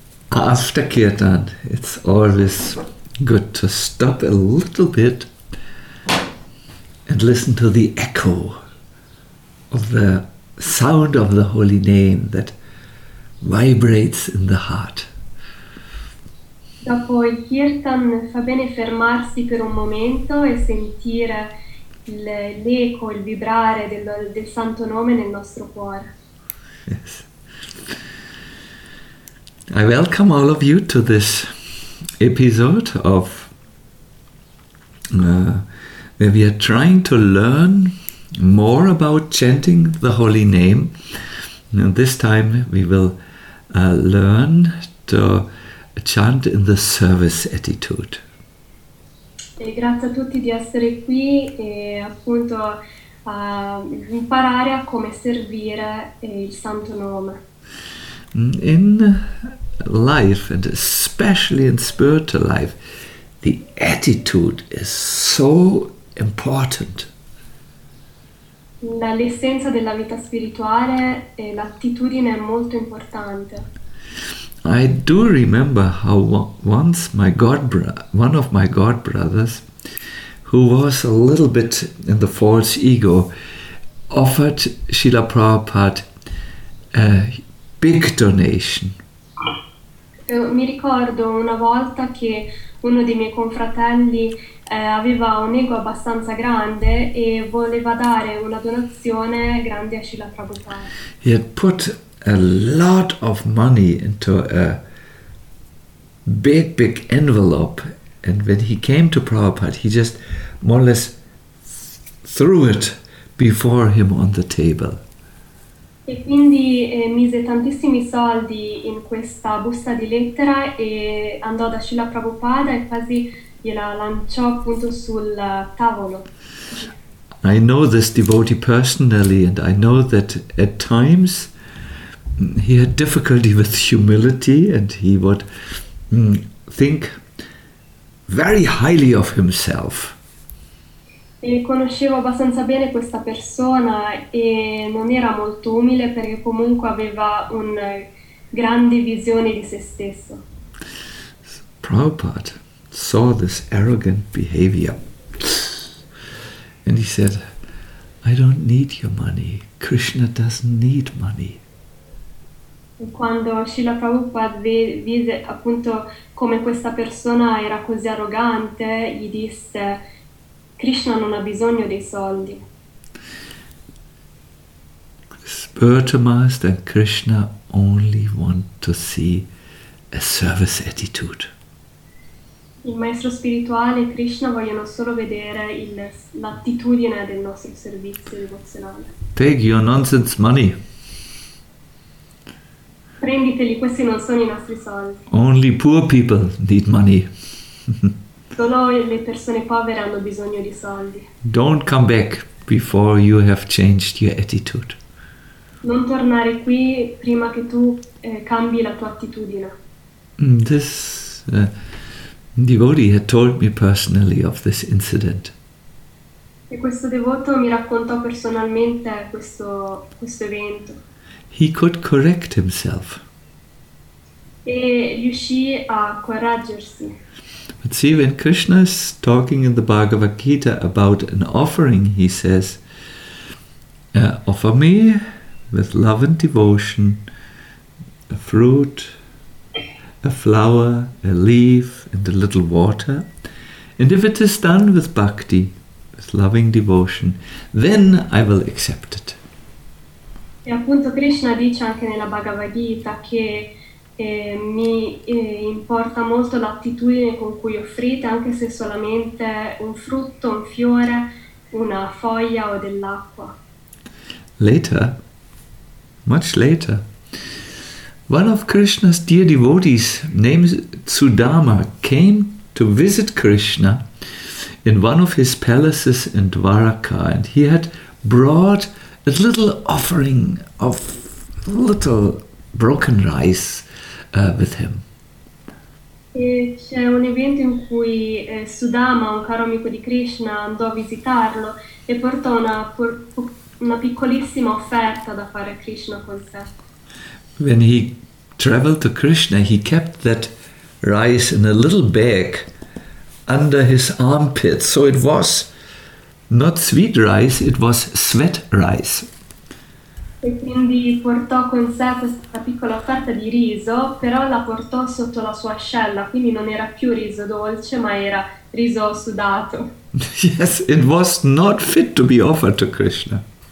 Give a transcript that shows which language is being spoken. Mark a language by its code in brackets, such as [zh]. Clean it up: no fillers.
[en] After Kirtan, it's always good to stop a little bit and listen to the echo of the sound of the holy name that vibrates in the heart. [it] Dopo il Kirtan fa bene fermarsi per un momento e sentire l'eco, il vibrare del santo nome nel nostro cuore. [en] Yes. I welcome all of you to this episode of where we are trying to learn more about chanting the holy name. And this time we will learn to chant in the service attitude. [it] E grazie a tutti di essere qui e appunto imparare a come servire il santo nome. [en] In life, and especially in spiritual life, the attitude is so important. [it] L'essenza della vita spirituale e l'attitudine è molto importante. [en] I do remember how once my one of my godbrothers, who was a little bit in the false ego, offered Srila Prabhupada a big donation. [it] Mi ricordo una volta che uno dei miei confratelli aveva un ego abbastanza grande e voleva dare una donazione grande a Srila Prabhupada. [en] He had put a lot of money into a big, big envelope, and when he came to Prabhupada, he just more or less threw it before him on the table. [it] E quindi mise tantissimi soldi in questa busta di lettera e andò da Srila Prabhupada e quasi gliela lanciò appunto sul tavolo. [en] I know this devotee personally, and I know that at times he had difficulty with humility, and he would think very highly of himself. [it] E conoscevo abbastanza bene questa persona e non era molto umile perché comunque aveva una grande visione di se stesso. [en] Prabhupada saw this arrogant behavior and he said, I don't need your money. Krishna doesn't need money. [it] Quando Srila Prabhupada vide appunto come questa persona era così arrogante, gli disse: Krishna non ha bisogno dei soldi. [en] Spiritual Master and Krishna only want to see a service attitude. [it] Il maestro spirituale e Krishna vogliono solo vedere l'attitudine del nostro servizio devozionale. [en] Take your nonsense money. [it] Prenditeli, questi non sono i nostri soldi. [en] Only poor people need money. [it] Solo le persone povere hanno bisogno di soldi. [en] Don't come back before you have changed your attitude. [it] Non tornare qui prima che tu cambi la tua attitudine. [en] This devotee had told me personally of this incident. [it] E questo devoto mi raccontò personalmente questo evento. [en] He could correct himself. [it] E riuscì a correggersi. [en] But see, when Krishna is talking in the Bhagavad Gita about an offering, he says, offer me with love and devotion a fruit, a flower, a leaf, and a little water. And if it is done with bhakti, with loving devotion, then I will accept it. [it] E appunto Krishna dice anche nella Bhagavad Gita che mi importa molto l'attitudine con cui offrite, anche se solamente un frutto, un fiore, una foglia o dell'acqua. [en] Later, much later, one of Krishna's dear devotees named Sudama came to visit Krishna in one of his palaces in Dwaraka, and he had brought a little offering of little broken rice with him. [it] E c'è un evento in cui Sudama, un caro amico di Krishna, andò a visitarlo e portò una piccolissima offerta da fare a Krishna con sé. [en] When he traveled to Krishna, he kept that rice in a little bag under his armpit, so it was not sweet rice, it was sweat rice. [it] E quindi portò con sé questa piccola offerta di riso, però la portò sotto la sua ascella, quindi non era più riso dolce, ma era riso sudato. [en] Yes, it was not fit to be offered to Krishna.